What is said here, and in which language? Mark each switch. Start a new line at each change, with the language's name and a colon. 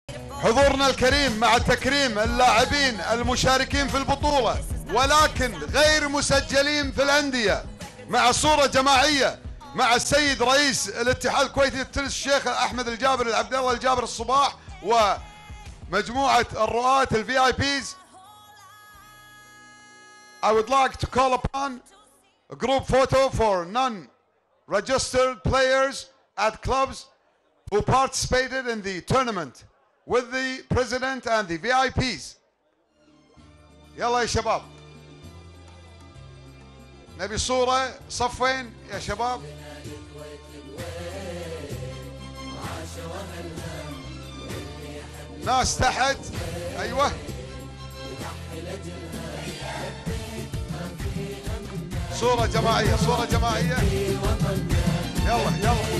Arabic: حضورنا الكريم مع تكريم اللاعبين المشاركين في البطولة ولكن غير مسجلين في الأندية، مع صورة جماعية مع السيد رئيس الاتحاد الكويتي للتنس الشيخ أحمد الجابر العبدالله الجابر الصباح ومجموعة الرؤاة الفي آي بيز.
English: I would like to call upon a group photo for non-registered players at clubs who participated in the tournament with the president and the VIPs.
Arabic: يلا يا شباب نبي صورة صفين يا شباب. ناس تحت ايوه صورة جماعية صورة جماعية يلا